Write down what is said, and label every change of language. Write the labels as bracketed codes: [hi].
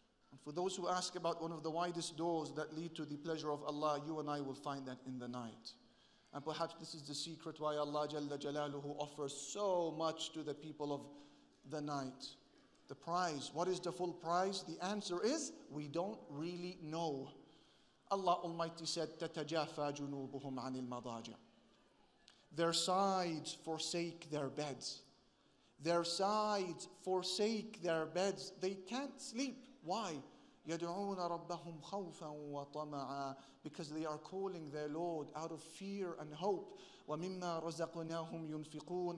[en] And for those who ask about one of the widest doors that lead to the pleasure of Allah, you and I will find that in the night. And perhaps this is the secret why Allah Jalla Jalaluhu offers so much to the people of the night. The prize. What is the full prize? The answer is, we don't really know. Allah Almighty said, [ar] تَتَجَافَى جُنُوبُهُمْ عَنِ الْمَضَاجِعِ. [en] Their sides forsake their beds. Their sides forsake their beds. They can't sleep. Why? [ar] يَدْعُونَ رَبَّهُمْ خَوْفًا وَطَمَعًا. [en] Because they are calling their Lord out of fear and hope. [ar] وَمِمَّا رَزَقْنَاهُمْ يُنْفِقُونَ.